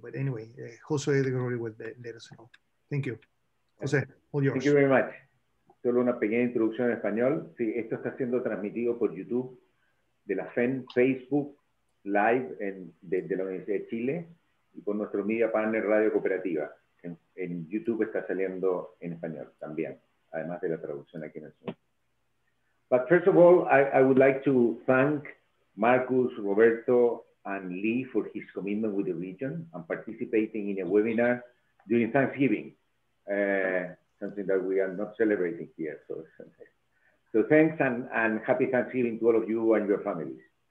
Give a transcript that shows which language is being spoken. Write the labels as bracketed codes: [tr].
[en] But anyway, Jose de Gregorio will let us know. Thank you. Jose, all yours. Thank you very much. [es] Solo una pequeña introducción en español. Sí, esto está siendo transmitido por YouTube de la FEN, Facebook Live de la Universidad de Chile y por nuestro media partner Radio Cooperativa. En YouTube está saliendo en español también, además de la traducción aquí en el Zoom. [en] But first of all, I would like to thank Markus, Roberto, and Lee for his commitment with the region and participating in a webinar during Thanksgiving, something that we are not celebrating here. So thanks and happy Thanksgiving to all of you and your families.